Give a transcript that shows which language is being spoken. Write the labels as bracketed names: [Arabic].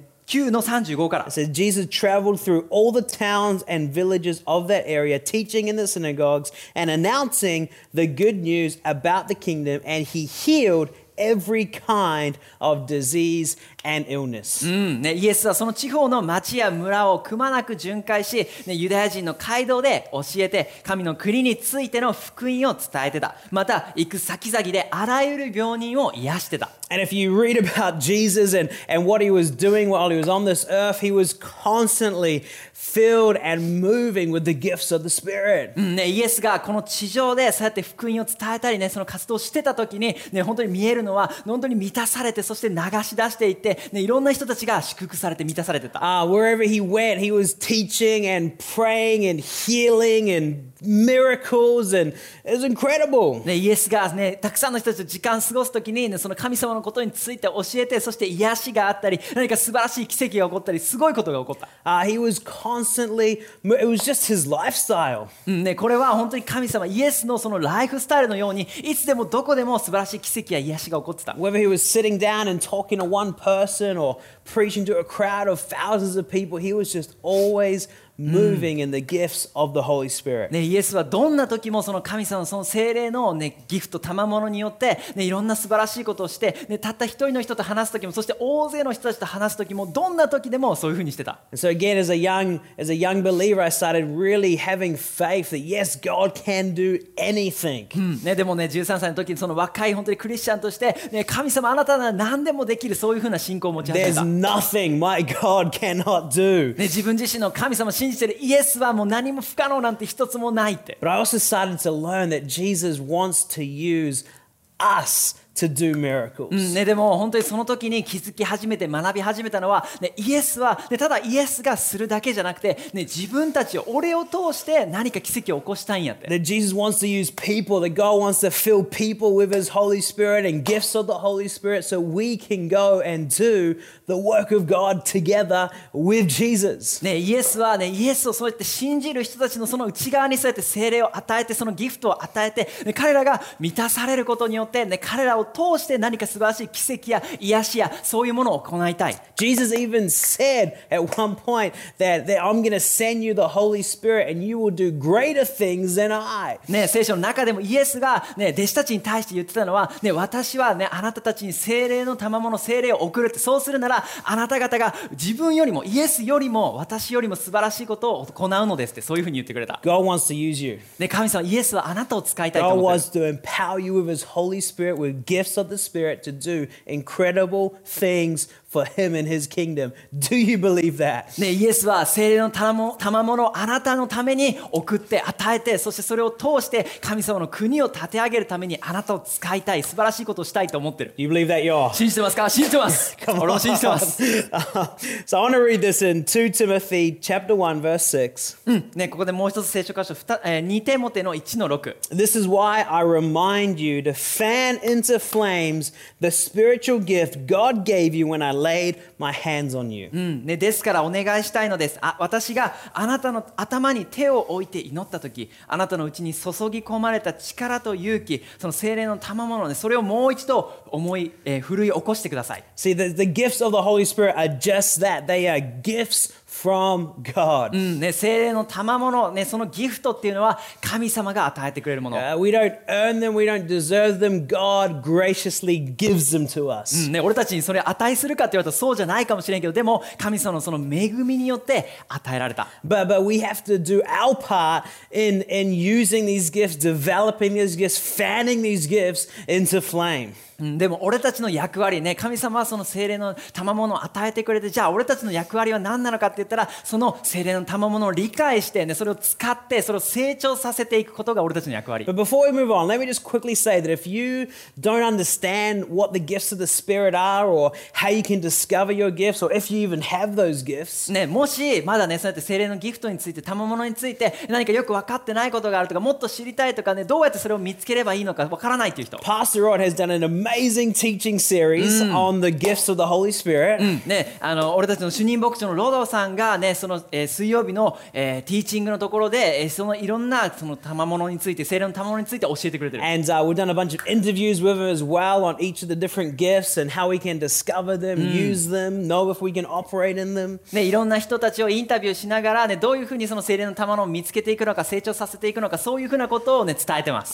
[English] It says, Jesus traveled through all the towns and villages of that area, teaching in the synagogues and announcing the good news about the kingdom, and he healed every kind of disease. And illness. [Japanese] うんね、イエスはその地方の町や村をくまなく巡回し、ね、ユダヤ人の街道で教えて神の国についての福音を伝えてた。また行く先々であらゆる病人を癒してた。 [English] And if you read about Jesus and what he was doing while he was on this earth, he was constantly filled and moving with the gifts of the Spirit、 [Japanese] うんね、イエスがこの地上でそうやって福音を伝えたり、ね、その活動をしてた時に、ね、本当に見えるのは本当に満たされて、そして流し出していて、ね、いろんな人たちが祝福されて満たされてた。 [English] Wherever he went, he was teaching and praying and healing and miracles and it was incredible、 [Japanese] ね、イエスが、ね、たくさんの人たちと時間過ごす時に、ね、その神様のことについて教えて、そして癒しがあったり、何か素晴らしい奇跡が起こったり、すごいことが起こった。 [English] He was constantly, it was just his lifestyle、 [Japanese] うんね、これは本当に神様、イエスのそのライフスタイルのように、いつでもどこでも素晴らしい奇跡や癒しが起こってた。 [English] Whether he was sitting down and talking to oneperson or preaching to a crowd of thousands of people, he was just always moving、うん、in the gifts of the Holy Spirit.、 [Japanese] ね、イエスはどんな時もその神様のその聖霊の、ね、ギフト賜物によって、ね、いろんな素晴らしいことをして、ね、たった一人の人と話す時も、そして大勢の人たちと話す時も、どんな時でもそういう風にしてた。 [English] So again, as a young believer, I started really having faith that yes, God can do anything.、 [Japanese] うんね、でもね、13歳の時にその若い本当にクリスチャンとして、ね、神様あなたなら何でもできる、そういう風な信仰を持ち始めた。 [English] There's nothing my God cannot do.、 [Japanese] ね、自分自身の神様信じてるイエスはもう何も不可能なんて一つもないって。 [English] But I also started to learn that Jesus wants to use us to do miracles、 [Japanese] うんね、でも本当にその時に気づき始めて学び始めたのは、ね、イエスは、ね、ただイエスがするだけじゃなくて、ね、自分たちを俺を通して何か奇跡を起こしたいんやって。 [English] That Jesus wants to use people, that God wants to fill people with His Holy Spirit and gifts of the Holy Spirit so we can go and do the work of God together with Jesus、 [Japanese] ね、イエスは、ね、イエスをそうやって信じる人たちのその内側にそうやって聖霊を与えて、そのギフトを与えて、ね、彼らが満たされることによって、ね、彼らを通して何か素晴らしい奇跡や癒しやそういうものを行いたい。 [English] Jesus even said at one point that I'm going to send you the Holy Spirit and you will do greater things than I. [Japanese] ね、聖書の中でもイエスが、ね、弟子たちに対して言ってたのは、ね、私は、ね、あなたたちに聖霊の賜物、聖霊を送るって、そうするならあなた方が自分よりもイエスよりも私よりも素晴らしいことを行うのですって、そういうふうに言ってくれた。 [English] God wants to use you. [Japanese] ね、神様、イエスはあなたを使いたいと思ってる。 [English] God wants to empower you with His Holy Spirit, with gifts of the Spirit to do incredible things for Him and His kingdom. Do you believe that? [Japanese] ね、イエスは聖霊の賜物をあなたのために送って与えて、そしてそれを通して神様の国を立て上げるためにあなたを使いたい、素晴らしいことをしたいと思ってる。 [English] Do you believe that, y'all? [Japanese] 信じてますか？信じてます。俺も信じてます。 [English] So I want to read this in 2 Timothy chapter 1 verse 6. [Japanese] うん、ね、ここでもう一つ聖書箇所、2テモテの1の6。 [English] This is why I remind you to fan into flames the spiritual gift God gave you when I laid my hands on you. [Japanese] うん、ね、ですからお願いしたいのです。私があなたの頭に手を置いて祈った時、あなたのうちに注ぎ込まれた力と勇気、その聖霊の賜物、ね、それをもう一度思い、奮い起こしてください。 [English] See, the gifts of the Holy Spirit are just that. They are gifts from God. [Japanese] うん、ね、聖霊の賜物、ね、そのギフトっていうのは神様が与えてくれるもの。 [English] We don't earn them, we don't deserve them. God graciously gives them to us. [Japanese] うん、ね、俺たちにそれ値するかって言われたらそうじゃないかもしれんけど、でも神様のその恵みによって与えられた。 [English] But we have to do our part in using these gifts, developing these gifts, fanning these gifts into flame. [Japanese] でも俺たちの役割ね、神様はその聖霊の賜物を与えてくれて、じゃあ俺たちの役割は何なのかって言ったら、その聖霊の賜物を理解してね、それを使ってそれを成長させていくことが俺たちの役割。 [English] But before we move on, let me just quickly say that if you don't understand what the gifts of the Spirit are or how you can discover your gifts or if you even have those gifts, [Japanese] ね、もしまだね、そうやって聖霊のギフトについて賜物について何かよく分かってないことがあるとか、もっと知りたいとかね、どうやってそれを見つければいいのか分からないっていう人。 [English] Pastor Rod has done an amazing teaching series on the gifts of the Holy Spirit. [Japanese] ね、あの、俺たちの主任牧師のロドさんがね、その、水曜日の、ティーチングのところで、そのいろんなその賜物について、聖霊の賜物について教えてくれてる。 [English] And we've done a bunch of interviews with him as well on each of the different gifts and how we can discover them, use them, know if we can operate in them. [Japanese] ね、いろんな人たちをインタビューしながらね、どういうふうにその聖霊の賜物を見つけていくのか、成長させていくのか、そういうふうなことをね、伝えてます。